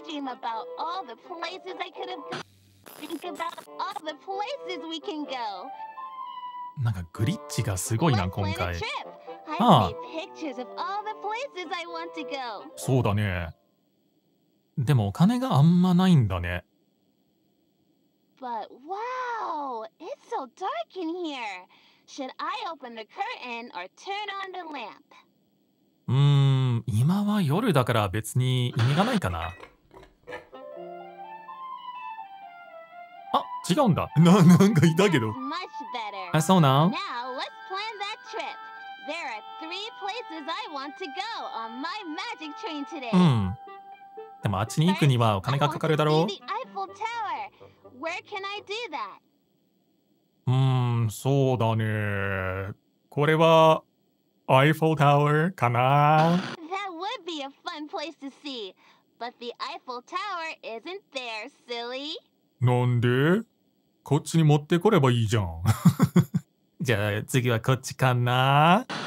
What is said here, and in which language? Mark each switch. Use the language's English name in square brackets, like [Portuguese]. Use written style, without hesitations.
[English] about all the places I could have gone. Think about all the places we can go. [Japanese] なんかグリッチがすごいな今回。ああ。 [English] pictures of all the places I want to go. [Japanese] そうだね。でもお金があんまないんだね。 [English] But wow, it's so dark in here. Should I open the curtain or turn on the lamp? [Japanese] 今は夜だから別に意味がないかな。あ、違うんだ。なんかいたけど。あ、そうなん。 [English] Now, let's plan that trip. There are three places I want to go on my magic train today. [Japanese] うん。でもあっちに行くにはお金がかかるだろう。 [English] The Eiffel Tower. Where can I do that? [Japanese] そうだね。これは、Eiffel Tower かな。 [English] A fun place to see, but the Eiffel Tower isn't there, silly. [Japanese] なんで？こっちに持ってこればいいじゃん。じゃあ次はこっちかな。